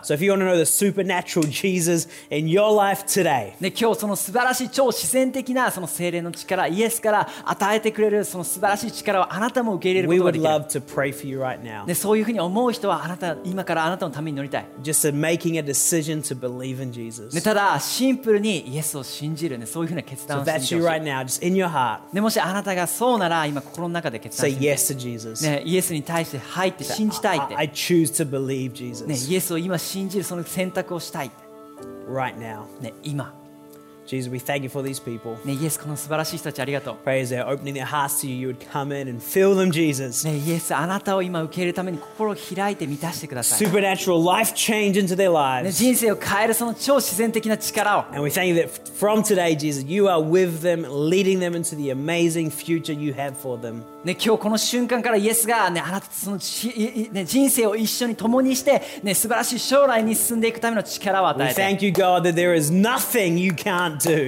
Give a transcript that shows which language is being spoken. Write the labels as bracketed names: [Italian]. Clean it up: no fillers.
[English] So if you want to know the supernatural Jesus in your life today. [Japanese] ね、今日その素晴らしい超自然的なその聖霊の力、イエスから与えてくれるその素晴らしい力をあなたも受け入れることができる。 [English] We would love to pray for you right now. [Japanese] ね、そういうふうに思う人はあなた、今からあなたのために祈りたい。 [English] Just making a decision to believe in Jesus. [Japanese] ね、ただシンプルにイエスを信じるね、そういうふうな決断をしてみてほしい。 [English] So that's you right now, just in your heart. [Japanese] ね、もしあなたがそうなら今心の中で決断してみて。 [English] Say yes to Jesus. [Japanese] ね、イエスに対して入って信じたいって。 [English] I choose to believe Jesus. [Japanese] ね、イエスを今信じるその選択をしたい。 [English] Right now. [Japanese] ね、今。 [English] Jesus, we thank you for these people. [Japanese] ね、イエス、この素晴らしい人たちありがとう。 [English] Pray as they're opening their hearts to you, you would come in and fill them, Jesus. [Japanese] ね、イエス、あなたを今受け入れるために心を開いて満たしてください。 [English] Supernatural life change into their lives. [Japanese] ね、人生を変えるその超自然的な力を。 [English] And we thank you that from today, Jesus, you are with them, leading them into the amazing future you have for them. [Japanese] ね、今日この瞬間からイエスが、ね、あなたとその、ね、人生を一緒に共にして、ね、素晴らしい将来に進んでいくための力を与えて。 [English] We thank you, God, that there is nothing you can't.